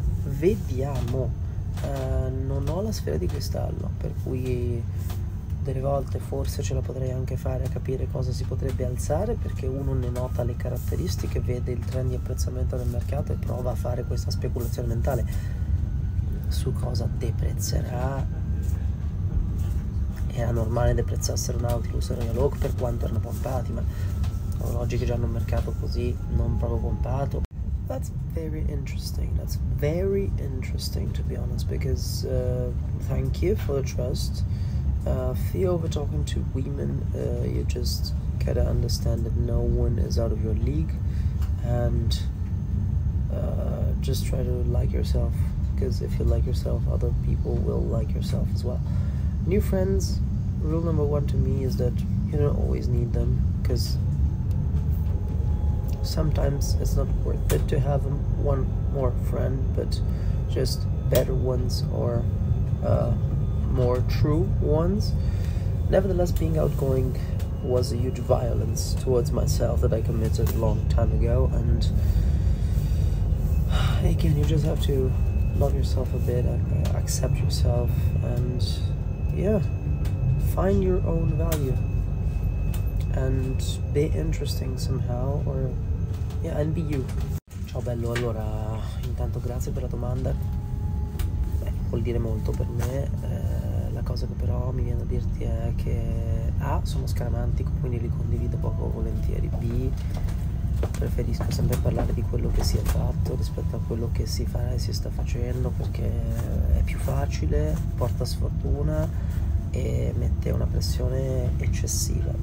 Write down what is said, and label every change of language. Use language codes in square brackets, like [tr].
[it] Vediamo. Non ho la sfera di cristallo, per cui delle volte forse ce la potrei anche fare a capire cosa si potrebbe alzare, perché uno ne nota le caratteristiche, vede il trend di apprezzamento del mercato e prova a fare questa speculazione mentale su cosa deprezzerà. Era normale deprezzassero un Nautilus e Royal Oak per quanto erano pompati, ma orologi che già hanno un mercato così non proprio pompato. [en] That's very interesting to be honest, because thank you for the trust. Theo, we're talking to women, you just gotta understand that no one is out of your league, and just try to like yourself, because if you like yourself, other people will like yourself as well. New friends, rule number one to me is that you don't always need them, because sometimes it's not worth it to have one more friend, but just better ones or more true ones. Nevertheless, being outgoing was a huge violence towards myself that I committed a long time ago, and again, you just have to love yourself a bit, accept yourself, and yeah, find your own value and be interesting somehow, or yeah, and be you. [it] Ciao bello, allora, intanto grazie per la domanda. Beh, vuol dire molto per me. La cosa che però mi viene da dirti è che A, sono scaramantico, quindi li condivido poco volentieri. B, preferisco sempre parlare di quello che si è fatto rispetto a quello che si farà e si sta facendo, perché è più facile, porta sfortuna e mette una pressione eccessiva.